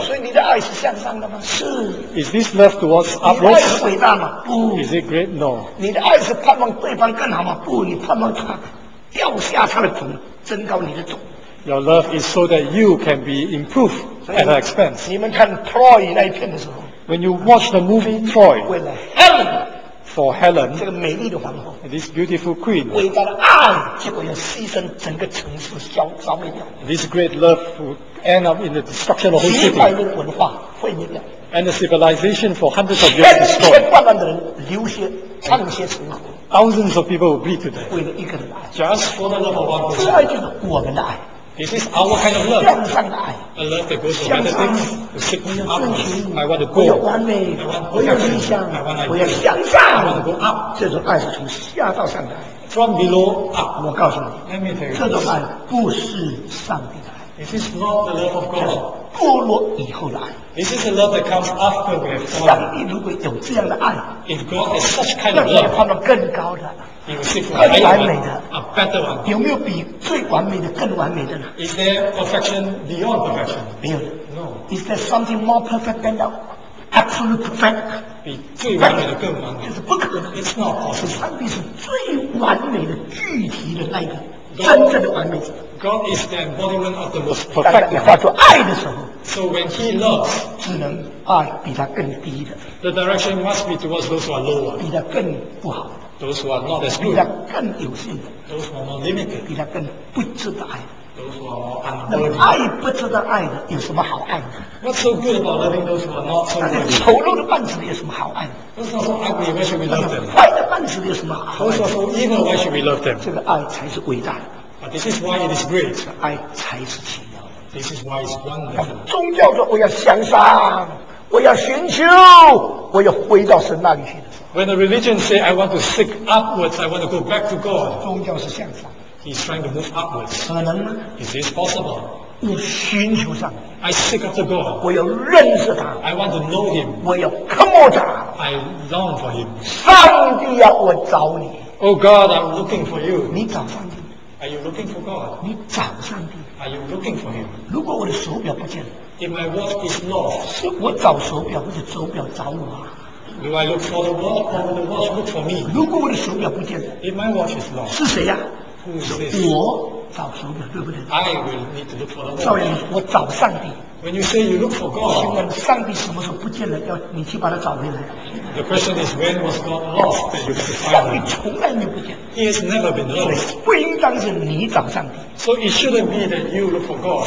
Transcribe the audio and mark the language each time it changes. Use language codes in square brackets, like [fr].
[zh] 所以你的爱是向上的吗？是。 [en] Is this love towards upwards? [zh] 你的爱是伟大吗？不。 [en] Is it great? No. [zh] 你的爱是盼望对方更好吗？不，你盼望他掉下他的桶，增高你的桶。 [en] Your love is so that you can be improved at her expense. [zh] 你们看 Troy 那一片的时候 [en] ，When you watch the movie Troy, [zh] 为了 Helen。 [en] For Helen, [zh] 这个美丽的皇后 [en] this beautiful queen, [zh] 伟大的爱结果要牺牲整个城市消消灭掉 [en] this great love would end up in the destruction of the whole city [zh] 几百年文化毁灭掉 [en] and the civilization for hundreds of years destroyed [zh] 千万万的人流血唱些成河 [en] thousands of people will bleed to death [zh] 为了一个人的爱 [en] just for the love of one person [zh] 这爱就是我们的爱 [en] this is our kind of love [zh] 向上的爱 [en] a love that goes to better things I want to go. [zh] 我要完美，我要理想，我要向上。 [en] I want to go up. [zh] 这种爱是从下到上的。 [en] From below up. [zh] 我告诉你，这种爱不是上帝的爱。 [en] This is not the love of God. [zh] 堕落以后的爱。 [en] This is the love that comes after we have fallen. [zh] 上帝如果有这样的爱 [en] ，If God has such kind of love, [zh] 那你盼望更高的。更完美的 [en] ，a better one， [zh] 有没有比最完美的更完美的呢 [en] ？Is there perfection beyond perfection？ [zh] 没有。 [en] No。 Is there something more perfect than that？ Absolute perfect？ [zh] 比最完美的更完美。这是不可能。 [en] It's not possible。 [zh] 上帝是最完美的具体的那个真正的完美者。 [en] God is the embodiment of the most perfect。 [zh] 当你化作爱的时候 [en] ，So when He loves， [zh] 只能爱比他更低的。 [en] The direction must be towards those who are lower。 [zh] 比他更不好。 [en] Those who are not as good. [zh] 比他更有限的。 [en] Those who are more limited. [zh] 比他更不值得爱。 [en] Those who are more unworthy. [zh] 那么爱不值得爱的有什么好爱的 [en] ？What's so good about loving those who are not so good? [zh] 那些丑陋的绊子有什么好爱的 [en] ？Those who are ugly, why should we love them? [zh] 坏的绊子有什么好爱 [en] ？Those who are evil, why should we love them? [zh] 这个爱才是伟大的。 [en] But this is why it is great. [zh] 爱才是奇妙的。 [en] This is why it's wonderful. [zh] 宗教说我要向上，我要寻求，我要回到神那里去。 [en] When a religion says, I want to seek upwards, I want to go back to God, [zh] 宗教是向上。 [en] He's trying to move upwards. [zh] 可能吗？ [en] Is this possible? [zh] 我寻求上 [en] 帝。I seek after God. [zh] 我要认识他。 [en] I want to know him. [zh] 我要渴慕他。 [en] I long for him. [zh] 上帝啊，我找你。 [en] Oh God, I'm looking for you. [zh] 你找上帝。 [en] Are you looking for God? [zh] 你找上帝。 [en] Are you looking for him? [zh] 如果我的手表不见了。 [en] If my watch is lost. [zh] 是我找手表，不是手表找我啊。 [en] Do I look for the watch, or will the watch look for me? [zh] 如果我的手表不见了 [en] ，If my watch is lost, [zh] 是谁呀、 [en] 啊、？Who is this? [zh] 我找手表，对不对 [en] ？I will need to look for the watch. [zh] 照样，我找上帝。 [en] When you say you look for God, [zh] 请问上帝什么时候不见了？要你去把它找回来。 [en] The question is when was God lost that you have to find? [zh] 上帝从来没不见。 [en] He has never been lost. [zh] 不应当是你找上帝。 [en] So it shouldn't be that you look for God.